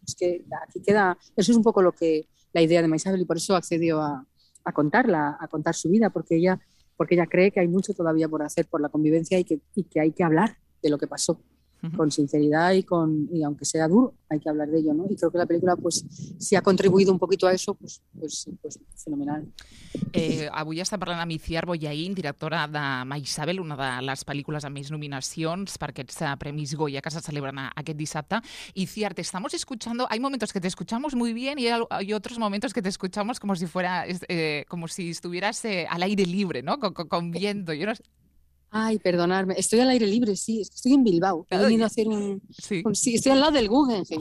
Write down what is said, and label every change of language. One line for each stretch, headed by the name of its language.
Spanish: Es que aquí queda, eso es un poco lo que la idea de Maisabel y por eso accedió a contar su vida, porque ella cree que hay mucho todavía por hacer por la convivencia y que hay que hablar de lo que pasó. con sinceridad y con, y aunque sea duro, hay que hablar de ello, ¿no? Y creo que la película, pues, si ha contribuido un poquito a eso, pues fenomenal.
Catalan: Avui està parlant amb Iciar Bollaín, directora de Ma Isabel, una de les pel·lícules amb més nominacions per aquests Premis Goya que se celebren aquest dissabte.
Spanish: Iciar, te estamos escuchando, hay momentos que te escuchamos muy bien y hay otros momentos que te escuchamos como si fuera, como si estuvieras al aire libre, ¿no? Con viento. Yo no sé. Ay, perdonarme. Estoy al aire libre, sí. Estoy en Bilbao. He venido a hacer un... Sí. Sí, estoy al lado del Guggenheim,